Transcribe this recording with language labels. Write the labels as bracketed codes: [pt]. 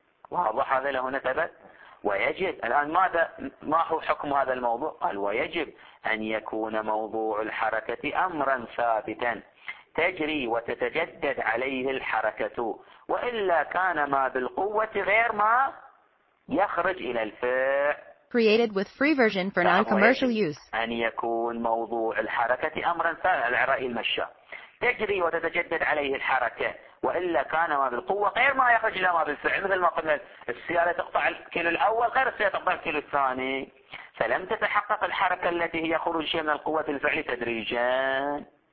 [ar] واضح هذا لهنا ثبت. ويجب الآن ماذا، ما هو حكم هذا الموضوع؟ قال ويجب أن يكون موضوع الحركة أمرا ثابتا تجري وتتجدد عليه الحركة، وإلا كان ما بالقوة غير ما يخرج إلى الفعل. [en] Created with free version for non-commercial use. [ar] أن يكون موضوع الحركة أمرا ثابتا، العرائي المشى تجري وتتجدد عليه الحركة، وإلا كان ما بالقوة غير ما يخرج إلى ما بالفعل، مثل ما قلنا السيارة تقطع الكيلو الأول غير السيارة تقطع الكيلو الثاني، فلم تتحقق الحركة التي هي خروج شيء من القوة الفعل تدريجا.